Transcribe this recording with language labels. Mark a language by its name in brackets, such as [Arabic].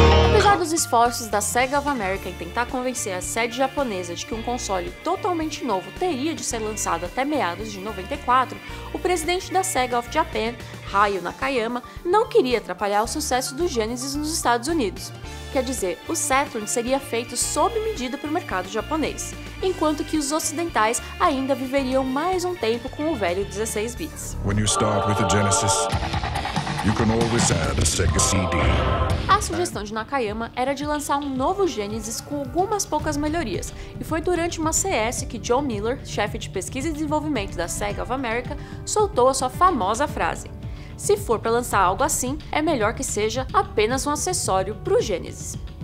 [Portuguese] Apesar dos esforços da Sega of America em tentar convencer a sede japonesa de que um console totalmente novo teria de ser lançado até meados de 94, o presidente da Sega of Japan, Hayao Nakayama, não queria atrapalhar o sucesso do Genesis nos Estados Unidos. Quer dizer, o Saturn seria feito sob medida para o mercado japonês, enquanto que os ocidentais ainda viveriam mais um tempo com o velho 16 bits. [English] When you start with the Genesis, you can always add a Sega CD. [Portuguese] A sugestão de Nakayama era de lançar um novo Genesis com algumas poucas melhorias, e foi durante uma CS que John Miller, chefe de pesquisa e desenvolvimento da Sega of America, soltou a sua famosa frase: se for para lançar algo assim, é melhor que seja apenas um acessório para o Genesis.